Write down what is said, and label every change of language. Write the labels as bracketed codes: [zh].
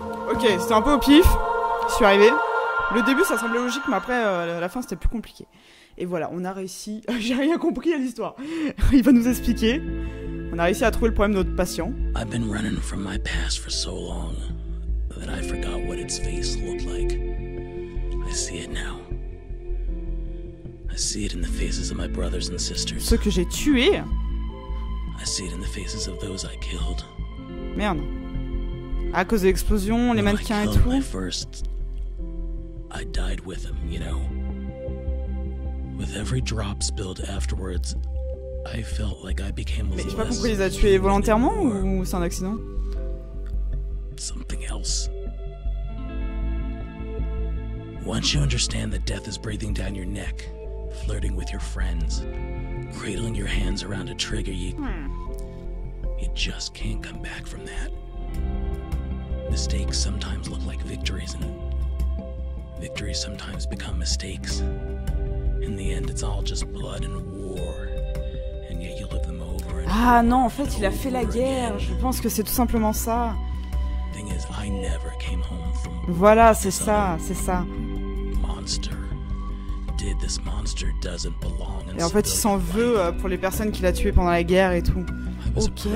[fr] Ok, c'était un peu au pif. Je suis arrivé. Le début, ça semblait logique, mais après, la fin, c'était plus compliqué. Et voilà, on a réussi. J'ai rien compris à l'histoire. Il va nous expliquer. On a réussi à trouver le problème de notre patient. [en] I've been running from my past for so long that I forgot what its face looked like. I see it now. I see it in the faces of my brothers and sisters. [fr] Ceux que j'ai tués. [en] I see it in the faces of those I killed. [fr] Merde. À cause de l'explosion, les mannequins et tout. [en] I died with him, you know. With every drop spilled afterwards, I felt like I became less. [fr] Mais j'ai pas compris, il a tué volontairement ou c'est un accident? [en] Something else. Once you understand that death is breathing down your neck, flirting with your friends, cradling your hands around a trigger, you just can't come back from that. Mistakes sometimes look like victories and. Victories sometimes become mistakes. In the end, it's all just blood and war. And yet you live them over. [fr] Ah non, en fait, il a fait la guerre. Je pense que c'est tout simplement ça. [en] Thing is, I never came home from. [fr] Voilà, c'est ça, c'est ça. [en] Monster. Did this monster doesn't belong. [fr] Et en fait, il s'en veut pour les personnes qu'il a tuées pendant la guerre et tout. Ok.